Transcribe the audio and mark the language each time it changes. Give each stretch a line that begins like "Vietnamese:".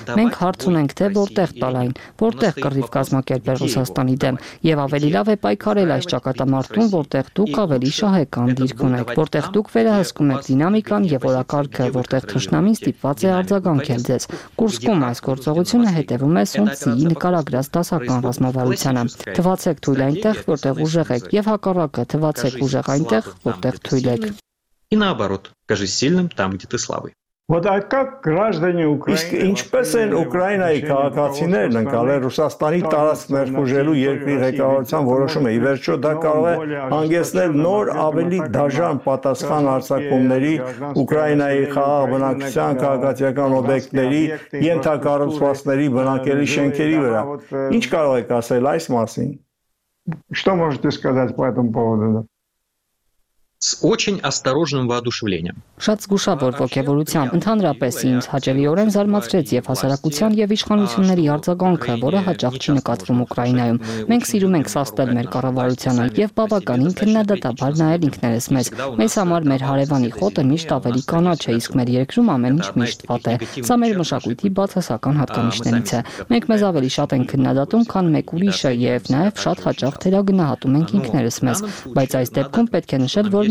Armenian: մենք հարց ունենք, թե որտեղ տալ այն, որտեղ կռիվ կազմակերպել Ռուսաստանի դեմ, և ավելի լավ է պայքարել այս ճակատամարտում, որտեղ դուք ավելի շահեկան դիրք ունեք, որտեղ դուք վերահսկում եք դինամիկան և օրակարգը, որտեղ թշնամին ստիպված է արձագանքել ձեզ։ Կուրսկում այս գործողությունը հետևում է Սուն Ցի-ի նկարագրած դասական ռազմավարությանը։ Թվացեք թույլ այնտեղ, որտեղ ուժեղ եք, և հակառակը, թվացեք ուժեղ այնտեղ, որտեղ թույլ եք։
Russian: И наоборот, кажись сильным там, где ты слабый. Вот а как граждане Украины,
Armenian: իսկ ինչպես են Ուկրաինայի քաղաքացիներն ընկալել Ռուսաստանի տարածք ներխուժելու երկրի ղեկավարության որոշումը, ի վերջո դա կարող է հանգեցնել նոր ավելի դաժան պատասխան արձակումների Ուկրաինայի խաղաղ բնակության քաղաքացիական օբյեկտների ենթակառուցվածքների բնակելի շենքերի վրա։ Ինչ կարող եք ասել այս մասին?
Russian: Что можете сказать по этому поводу? С очень осторожным воодушевлением.
Armenian: Շատ զգուշավոր ոգևորությամբ, ընդհանրապես ինձ հաճելիորեն զարմացրեց եւ հասարակության եւ իշխանությունների արձագանքը, որը հաճախ չի նկատվում Ուկրաինայում։ Մենք սիրում ենք սաստել մեր կառավարությանը եւ բավականին քննադատաբար նայել ինքներս մեզ։ Մեզ համար մեր հարևանի խոտը միշտ ավելի կանաչ է, իսկ մեր երկրում ամեն ինչ միշտ վատ է։ Սա մեր մշակույթի բացասական հատկանիշներից է։ Մենք մեզ ավելի շատ ենք քննադատում, քան մեկ ուրիշը, եւ նաեւ շատ հաճախ թերագնահատում ենք ինքներս մեզ, բայց այս դեպքում պետք է նշել, որ